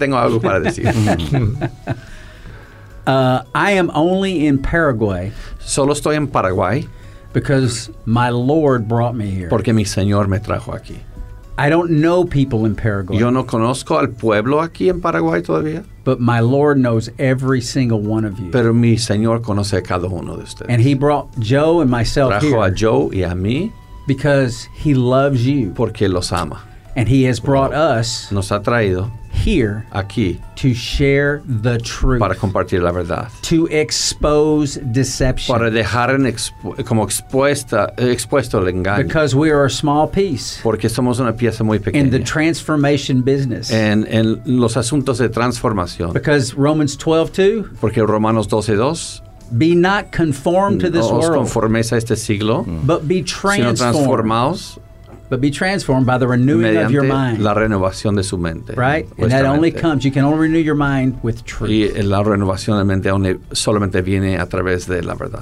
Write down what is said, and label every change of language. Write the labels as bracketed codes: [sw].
[es] Tengo algo para decir. [en] I am only in Paraguay. [es] Solo estoy en Paraguay. [en] Because my Lord brought me here. [es] Porque mi Señor me trajo aquí. [en] I don't know people in Paraguay. [es] Yo no conozco al pueblo aquí en Paraguay todavía. [en] But my Lord knows every single one of you. [es] Pero mi Señor conoce a cada uno de ustedes. [en] And he brought Joe and myself [es] trajo [en] here. [es] Trajo a Joe y a mí. [en] Because he loves you. [es] Porque los ama. [en] And he has brought us. [es] Nos ha traído. [en] here [es] aquí [en] to share the truth, [es] para compartir la verdad, [en] to expose deception, [es] para dejar en expuesto el engaño, [en] because we are a small piece, [es] porque somos una pieza muy pequeña, [en] in the transformation business, [es] en los asuntos de transformación, [en] because Romans 12:2, [es] porque Romanos 12:2. [en] Be not conformed to this world. [es] No os conforméis a este siglo, [en] but be transformed. [es] Sino transformaos. [en] But be transformed by the renewing of your mind. [es] La renovación de su mente. [en] Right? And that only comes, you can only renew your mind with truth. [es] Y la renovación de mente solamente viene a través de la verdad.